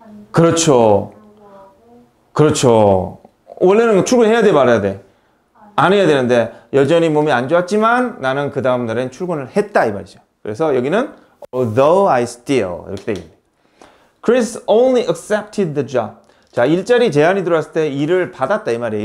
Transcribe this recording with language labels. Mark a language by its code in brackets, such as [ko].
[ko] 그렇죠. 그렇죠. 원래는 출근해야 돼 말아야 돼. 안 해야 되는데 여전히 몸이 안 좋았지만 나는 그 다음 날엔 출근을 했다 이 말이죠. 그래서 여기는 [en] Although I still [ko] 이렇게 돼 있네. [en] Chris only accepted the job. [ko] 자, 일자리 제안이 들어왔을 때 일을 받았다 이 말이에요.